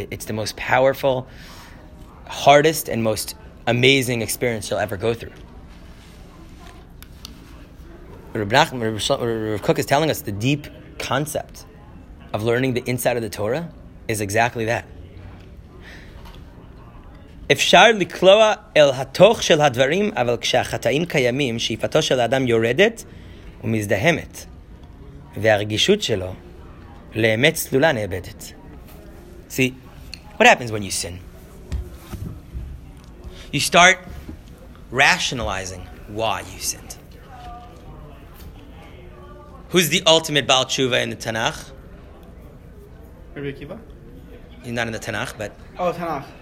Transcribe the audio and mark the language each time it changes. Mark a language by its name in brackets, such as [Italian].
[English] It's the most powerful, hardest, and most amazing experience you'll ever go through. Rav Kook is telling us the deep concept of learning the inside of the Torah is exactly that. [Hebrew] אפשר לקלוע אל התוך של הדברים, אבל כשהחטאים קיימים, שאיפתו של האדם יורדת ומזדהמת, והרגישות שלו לאמת צלולה נאבדת. [English] See, what happens when you sin? You start rationalizing why you sinned. Who's the ultimate Baal Tshuva in the Tanakh? Rabbi Akiva? He's not in the Tanakh, but... Oh, Tanakh.